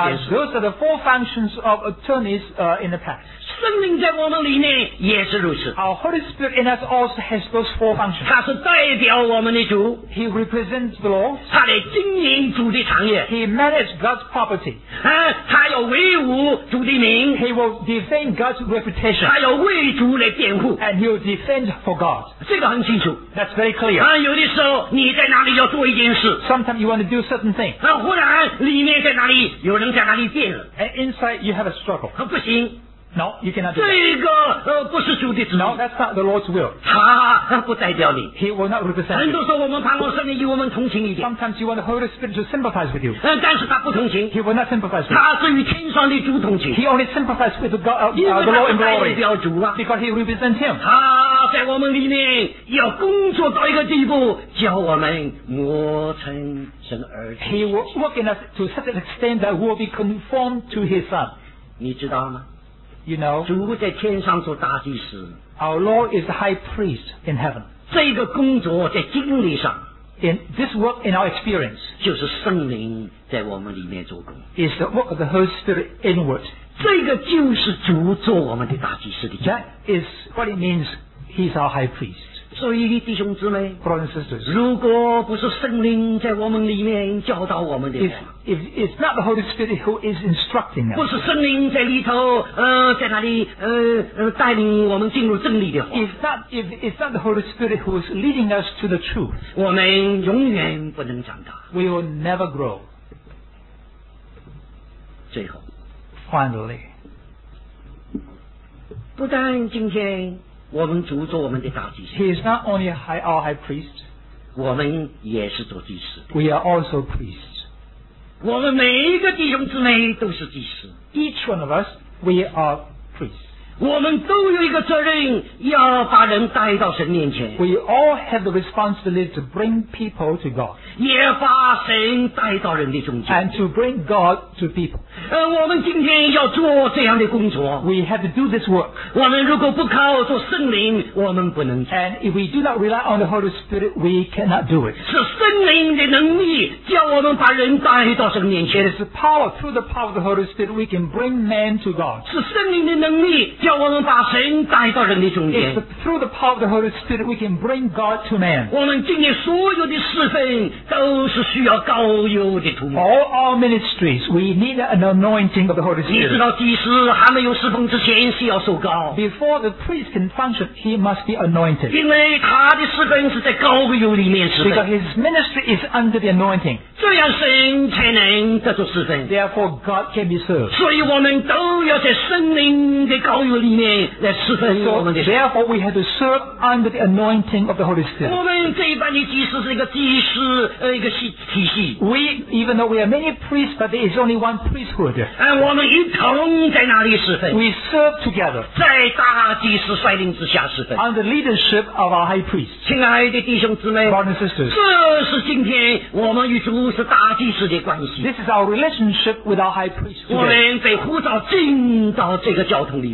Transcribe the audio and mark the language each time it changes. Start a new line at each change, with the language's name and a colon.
English: Those are the four functions of attorneys in the past.
Chinese: 圣灵在我们里面也是如此。
English: Our Holy Spirit in us also has those four functions.
Chinese: 他是代表我们的主。
English: He represents the law.
Chinese: 他来经营主的产业。
English: He manages God's property.
Chinese: 他要维护主的名。
English: He will defend God's reputation.
Chinese: 他要为主来辩护。
English: And he will defend for God.
Chinese: 这个很清楚。
English: That's very clear.
Chinese: 有的时候你在哪里要做一件事。
English: Sometimes you want to do certain things.
Chinese: 忽然里面在哪里有人在哪里变了。
English: And inside you have a struggle.
Chinese: 不行。
English: No, you cannot do that.
Chinese: 这个,
English: no, that's not the Lord's will.
Chinese: 他不代表你,
English: he will not represent you.
Chinese: 人都说我们盼望圣灵与我们同情一点。
English: Sometimes you want the Holy Spirit to sympathize with you.
Chinese: 但是他不同情,
English: he will not sympathize with you.
Chinese: 他是与天上的主同情,
English: he only sympathizes with God, the Lord in glory. Because he represents him.
Chinese: 他在我们里面要工作到一个地步,
English: he will work in us to such an extent that we will be conformed to his son.
Chinese: 你知道吗?
English: You know, our Lord is the high priest in heaven. This work in our experience is the work of the Holy Spirit inward. That is what it means, he's our high priest.
Chinese: 所以弟兄姊妹,
English: brothers and sisters,
Chinese: 如果不是圣灵在我们里面教导我们的,
English: if it's not the Holy Spirit who is instructing us,
Chinese: 不是圣灵在里头, 在哪里, 带领我们进入真理的话,
English: if it's not the Holy Spirit who is leading us to the truth,
Chinese: 我们永远不能长大,
English: we will never grow.
Chinese: 最后,
English: finally,
Chinese: 不但今天, 我们主做我们的大祭司,
English: he is not only our high priest, we are also priests.
Chinese: 我们每一个弟兄姊妹都是祭司,
English: each one of us, we are priests.
Chinese: 我们都有一个责任要把人带到神面前,
English: we all have the responsibility to bring people to God,
Chinese: 也把神带到人的中间,
English: and to bring God to people.
Chinese: 我们今天要做这样的工作,
English: we have to do this work.
Chinese: 我们如果不靠做圣灵,
English: and if we do not rely on the Holy Spirit, we cannot do it.
Chinese: 是圣灵的能力叫我们把人带到神面前,
English: it is the power, through the power of the Holy Spirit, we can bring man to God.
Chinese: 是圣灵的能力叫我们把神带到人的中间,
English: it is through the power of the Holy Spirit, we can bring God to man.
Chinese: 我们今天所有的侍奉都是需要膏油的涂抹,
English: all our ministries, we need an anointing of the Holy Spirit. Before the priest can function, he must be anointed. Because his ministry is under the anointing. Therefore, God can be served. So, therefore, we have to serve under the anointing of the Holy Spirit. We, even though we are many priests, but there is only one priesthood. We serve together under the leadership of our high priest.
Chinese: 亲爱的弟兄姊妹,
English: brothers and sisters,
Chinese: 这是今天我们与主是大祭司的关系,
English: this is our relationship with our high priest.
Chinese: 我们被呼召进到这个教堂里面,